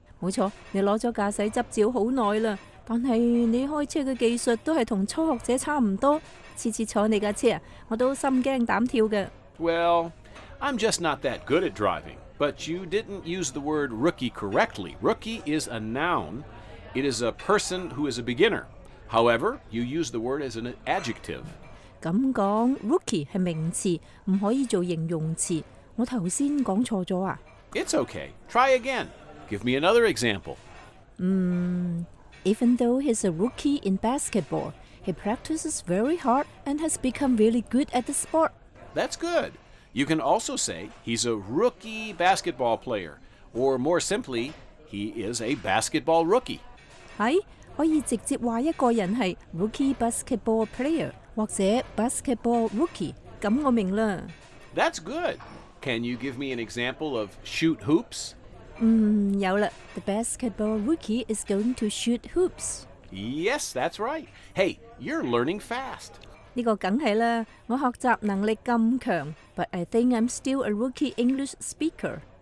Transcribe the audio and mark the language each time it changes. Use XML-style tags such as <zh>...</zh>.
<zh>没错，你拿了驾驶执照好耐了，但是你开车的技术都是跟初学者差不多，次次坐你的车我都心惊胆跳的。</zh> <en>Well, I'm just not that good at driving, but you didn't use the word rookie correctly. Rookie is a noun. It is a person who is a beginner. However, you use the word as an adjective.</en> <zh>这么说 rookie 是名词，不可以做形容词。我头先讲错咗啊。</zh> <en>It's okay. Try again. Give me another example. Even though he's a rookie in basketball, he practices very hard and has become really good at the sport. That's good. You can also say he's a rookie basketball player, or more simply, he is a basketball rookie.</en> <zh>系，可以直接话一个人系 rookie basketball player 或者 basketball rookie。咁我明啦。</zh> <en>That's good. Can you give me an example of shoot hoops?</en> <zh>有了。</zh> <en>The basketball rookie is going to shoot hoops. Yes, that's right. Hey, you're learning fast.</en> <zh>这个当然了，我学习能力这么强。</zh> <en>But I think I'm still a rookie English speaker.</en>